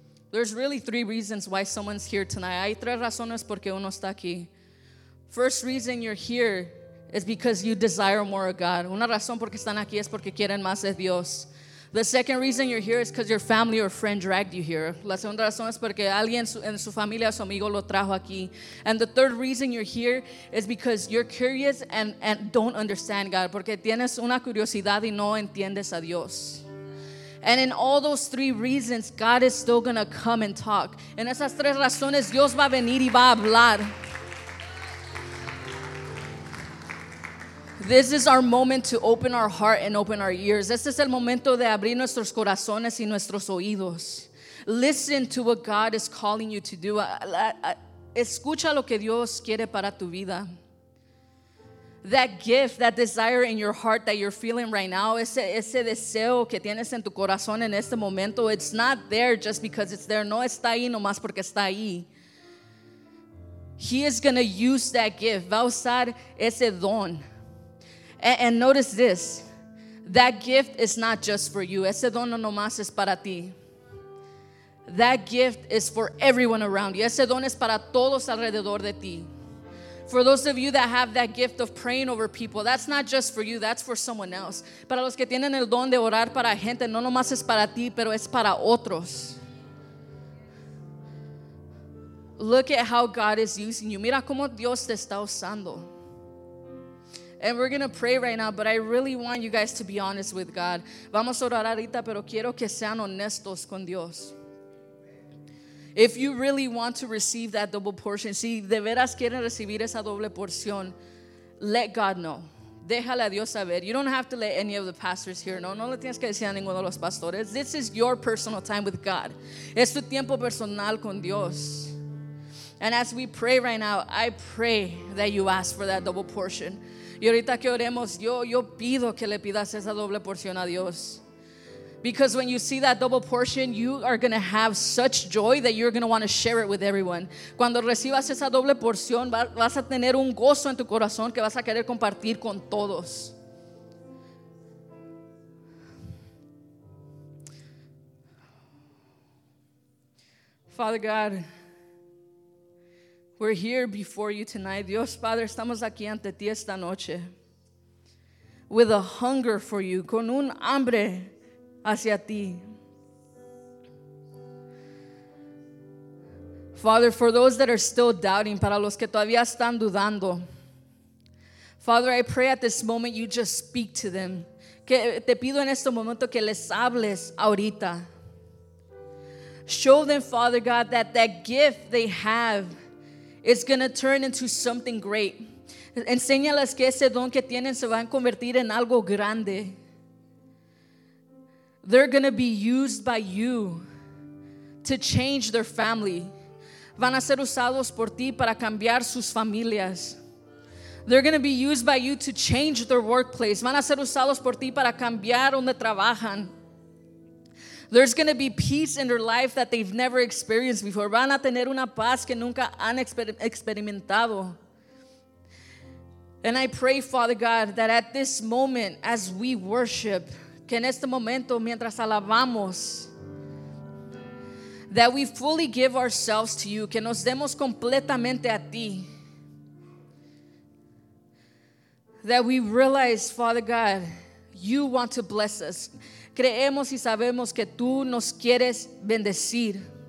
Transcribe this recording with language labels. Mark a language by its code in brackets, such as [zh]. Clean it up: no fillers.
[en] There's really three reasons why someone's here tonight. [es] Hay tres razones porque uno está aquí. [en] First reason you're here is because you desire more of God. [es] Una razón porque están aquí es porque quieren más de Dios. [en] The second reason you're here is because your family or friend dragged you here. [es] La segunda razón es porque alguien en su familia, su amigo, lo trajo aquí. [en] And the third reason you're here is because you're curious and don't understand God. [es] Porque tienes una curiosidad y no entiendes a Dios. [en] And in all those three reasons, God is still going to come and talk. [es] En esas tres razones, Dios va a venir y va a hablar. [en] This is our moment to open our heart and open our ears. [es] Este es el momento de abrir nuestros corazones y nuestros oídos. [en] Listen to what God is calling you to do. [es] Escucha lo que Dios quiere para tu vida. [en] That gift, that desire in your heart that you're feeling right now, [es] ese deseo que tienes en tu corazón en este momento, [en] it's not there just because it's there. [es] No está ahí nomás porque está ahí. [en] He is going to use that gift. [es] Va a usar ese don. [en] And notice this, that gift is not just for you. [es] Ese don no nomás es para ti. [en] That gift is for everyone around you. [es] Ese don es para todos alrededor de ti. [en] For those of you that have that gift of praying over people, that's not just for you, that's for someone else. [es] Para los que tienen el don de orar para gente, no nomás es para ti, pero es para otros. [en] Look at how God is using you. [es] Mira cómo Dios te está usando. [en] And we're going to pray right now, but I really want you guys to be honest with God. [es] Vamos a orar ahorita, pero quiero que sean honestos con Dios. [en] If you really want to receive that double portion, [es] si de veras quieren recibir esa doble porción, [en] let God know. [es] Déjale a Dios saber. [en] You don't have to let any of the pastors here know. [es] No le tienes que decir a ninguno de los pastores. [en] This is your personal time with God. [es] Es tu tiempo personal con Dios. [en] And as we pray right now, I pray that you ask for that double portion. [es] Y ahorita que oremos, yo pido que le pidas esa doble porción a Dios. [en] Because when you see that double portion, you are going to have such joy that you're going to want to share it with everyone. [es] Cuando recibas esa doble porción, vas a tener un gozo en tu corazón que vas a querer compartir con todos. [en] Father God, we're here before you tonight. [es] Dios Padre, estamos aquí ante ti esta noche. [en] With a hunger for you, [es] con un hambre hacia ti. [en] Father, for those that are still doubting, [es] para los que todavía están dudando, [en] Father, I pray at this moment you just speak to them. [es] Que te pido en este momento que les hables ahorita. [en] Show them, Father God, that gift they have, it's going to turn into something great. [es] Enséñales que ese don que tienen se va a convertir en algo grande. [en] They're going to be used by you to change their family. [es] Van a ser usados por ti para cambiar sus familias. [en] They're going to be used by you to change their workplace. [es] Van a ser usados por ti para cambiar donde trabajan. [en] There's going to be peace in their life that they've never experienced before. [es] Van a tener una paz que nunca han experimentado. [en] And I pray, Father God, that at this moment, as we worship, [es] que en este momento, mientras alabamos, [en] that we fully give ourselves to you, [es] que nos demos completamente a ti. [en] That we realize, Father God, you want to bless us. [es] Creemos y sabemos que tú nos quieres bendecir.